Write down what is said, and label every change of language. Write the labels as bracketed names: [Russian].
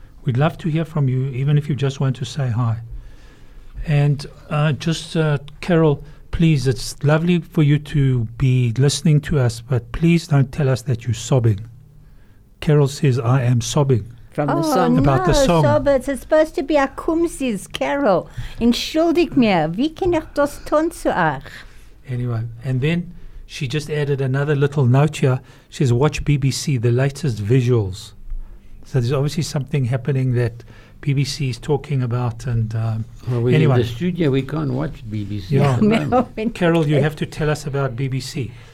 [English] We'd love to hear from you, even if you just want to say hi. And Carol, please, it's lovely for you to be listening to us, but please don't tell us that you're sobbing. Carol says, I am sobbing. From the song. No, about the song. So, but it's supposed to be a Kumsis, Carol. [Yiddish] Entschuldig mir, wie kann ich das tun zu euch? [English] Anyway, and then she just added another little note here. She says, watch BBC, the latest visuals. So there's obviously something happening that BBC is talking about. And well, anyway. In the studio, we can't watch BBC. Yeah. Carol, you have to tell us about BBC.